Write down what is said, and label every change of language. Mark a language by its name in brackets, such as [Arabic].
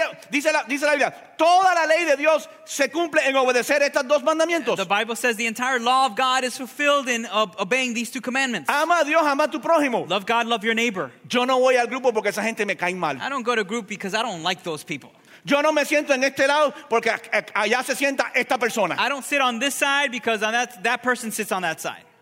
[Spanish] Dice la Biblia, toda la ley de Dios se cumple en obedecer estos dos mandamientos. [English] The Bible says the entire law of God is fulfilled in obeying these two commandments. [Spanish] Ama a Dios, ama a tu prójimo. [English] Love God, love your neighbor. [Spanish] Yo no voy al grupo porque esa gente me cae mal. [English] I don't go to group because I don't like those people. [Spanish] Yo no me siento en este lado porque allá se sienta esta persona. [English] I don't sit on this side because that person sits on that side.